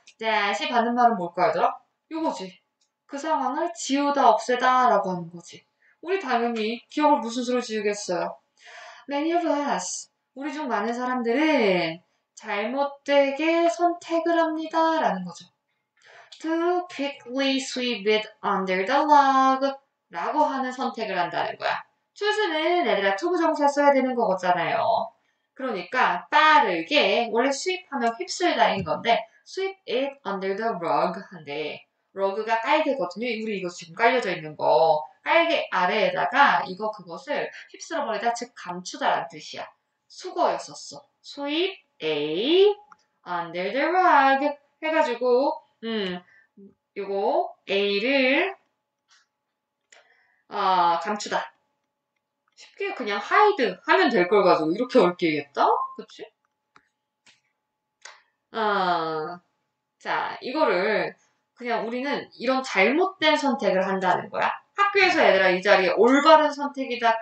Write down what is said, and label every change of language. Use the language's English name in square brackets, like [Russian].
[Korean] That이 받는 말은 뭘까요, 얘들아? 이거지. 그 상황을 지우다 없애다라고 하는 거지. 우리 당연히 기억을 무슨 수로 지우겠어요? [English] Many of us. [Korean] 우리 중 많은 사람들은 잘못되게 선택을 합니다라는 거죠. [English] To quickly sweep it under the rug. [Korean] 라고 하는 선택을 한다는 거야. Choose는 얘들아 to 부정사 써야 되는 거잖아요. 그러니까 빠르게 원래 sweep 하면 휩쓸다인 건데 [English] sweep it under the rug [Korean] 한대. rug가 깔개거든요. 우리 이거 지금 깔려져 있는 거. 깔개 아래에다가 이거 그것을 휩쓸어버리다 즉 감추다라는 뜻이야. 수거였었어. [English] sweep a under the rug [Korean] 해가지고 요거 a를 감추다. 쉽게 그냥 하이드 하면 될걸 가지고 이렇게 어렵게 얘기했다? 그치? 자, 이거를 그냥 우리는 이런 잘못된 선택을 한다는 거야. 학교에서 얘들아 이 자리에 올바른 선택이다.